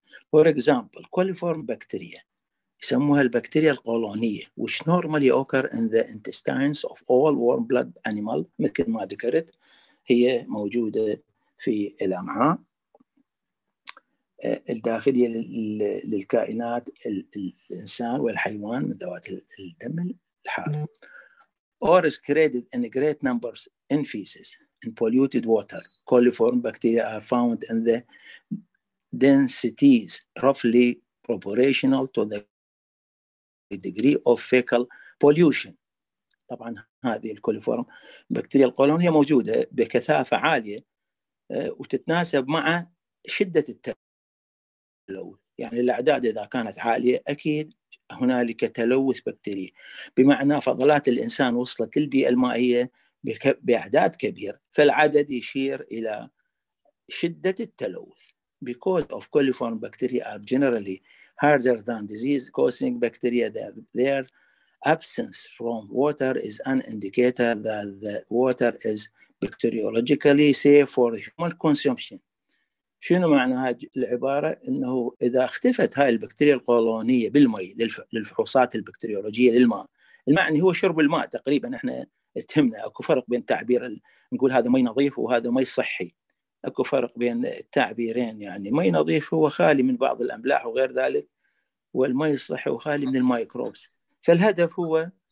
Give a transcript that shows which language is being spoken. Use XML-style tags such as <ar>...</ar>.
<en>For example, coliform bacteria</en> <ar>يسموها البكتيريا القولونية</ar> <en>which normally occur in the intestines of all warm blood animal،</en> <ar>مثل ما ذكرت هي موجودة في الأمعاء الداخلية للكائنات الإنسان والحيوان من ذوات الدم الحار.</ar> <en>Or is created in great numbers in feces in polluted water. Coliform bacteria are found in the densities roughly proportional to the degree of fecal pollution.</en> <ar>طبعا هذه الكوليفورم بكتيريا القولون هي موجودة بكثافة عالية وتتناسب مع شدة التلوث، يعني الأعداد إذا كانت عالية أكيد هنالك تلوث بكتيري، بمعنى فضلات الإنسان وصلت البيئة المائية بأعداد كبيرة، فالعدد يشير إلى شدة التلوث.</ar> <en>Because of coliform bacteria are generally harder than disease-causing bacteria, their absence from water is an indicator that the water is bacteriologically safe for human consumption.</en> <ar>شنو معنى العبارة؟ إنه إذا اختفت هاي البكتيريا القولونية بالماء للفحوصات البكتيريولوجية للماء، المعنى هو شرب الماء تقريبا، احنا اتهمنا اكو فرق بين تعبير نقول هذا ماء نظيف وهذا ماء صحي، اكو فرق بين التعبيرين، يعني ماء نظيف هو خالي من بعض الأملاح وغير ذلك، والماء الصحي هو خالي من الميكروبس، فالهدف هو</ar>